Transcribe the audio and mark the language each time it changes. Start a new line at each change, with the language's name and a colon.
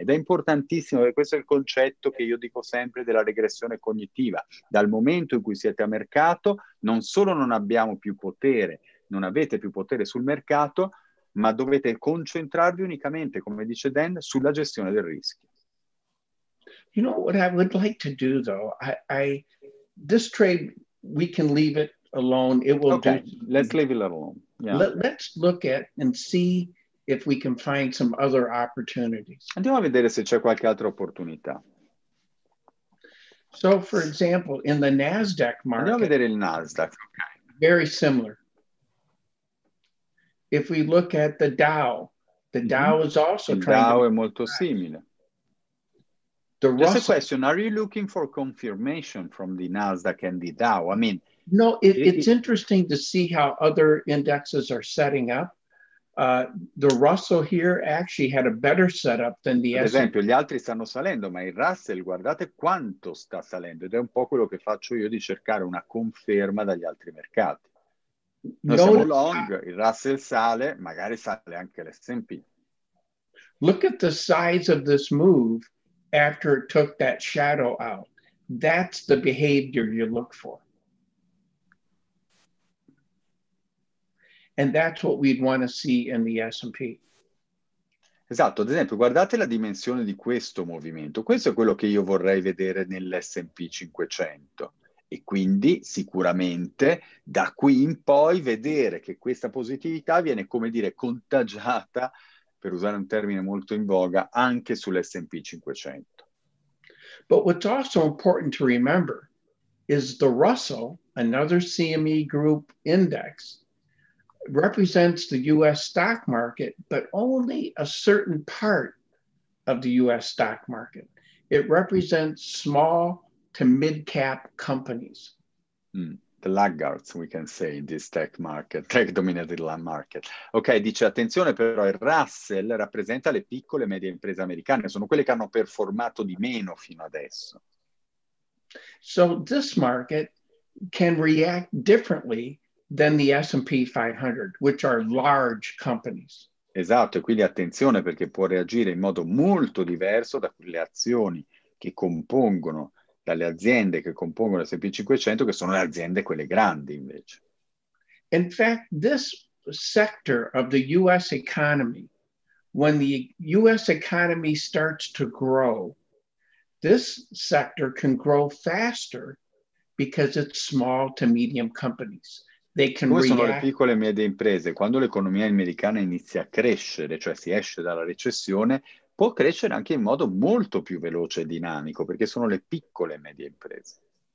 Italian: Ed è importantissimo, e questo è il concetto che io dico sempre della regressione cognitiva. Dal momento in cui siete a mercato, non solo non abbiamo più potere, non avete più potere sul mercato, ma dovete concentrarvi unicamente, come dice Dan, sulla gestione del rischio.
English: You know what I would like to do though? This trade, we can leave it alone. It will okay, let's leave it alone. Yeah. Let's look at and see if we can find some other opportunities.
Italian: Andiamo a vedere se c'è qualche altra opportunità.
English: So, for example, in the NASDAQ market,
Italian: andiamo a vedere il NASDAQ.
English: Very similar. If we look at the Dow is also trying.
Italian: Il Dow è molto simile.
English: Just a question, are you looking for confirmation from the NASDAQ and the Dow? I mean, no, it's interesting to see how other indexes are setting up. The Russell here actually had a better setup than the S&P.
Italian: Ad esempio, gli altri stanno salendo, ma il Russell, guardate quanto sta salendo. Ed è un po' quello che faccio io di cercare una conferma dagli altri mercati. Noi siamo long, il Russell sale, magari sale anche l'S&P.
English: Look at the size of this move after it took that shadow out. That's the behavior you look for. And that's what we'd want to see in the S&P.
Italian: Esatto, ad esempio, guardate la dimensione di questo movimento. Questo è quello che io vorrei vedere nell'S&P 500. E quindi sicuramente da qui in poi vedere che questa positività viene, come dire, contagiata, per usare un termine molto in voga, anche sull'S&P 500.
English: But what's also important to remember is the Russell, another CME group index, represents the U.S. stock market, but only a certain part of the U.S. stock market. It represents small to mid-cap companies. Mm. The laggards, we can say, in this tech market, tech-dominated market.
Italian: Ok, dice, attenzione però, il Russell rappresenta le piccole e medie imprese americane, sono quelle che hanno performato di meno fino adesso.
English: So this market can react differently than the S&P 500, which are large companies.
Italian: Esatto, e quindi attenzione perché può reagire in modo molto diverso da quelle azioni che compongono, dalle aziende che compongono l'S&P 500, che sono le aziende quelle grandi invece.
English: In fact, this sector of the U.S. economy, when the U.S. economy starts to grow, this sector can grow faster because it's small to medium companies.
Italian: Come sono le piccole e medie imprese, quando l'economia americana inizia a crescere, cioè si esce dalla recessione, può crescere anche in modo molto più veloce e dinamico, perché sono le piccole e medie imprese.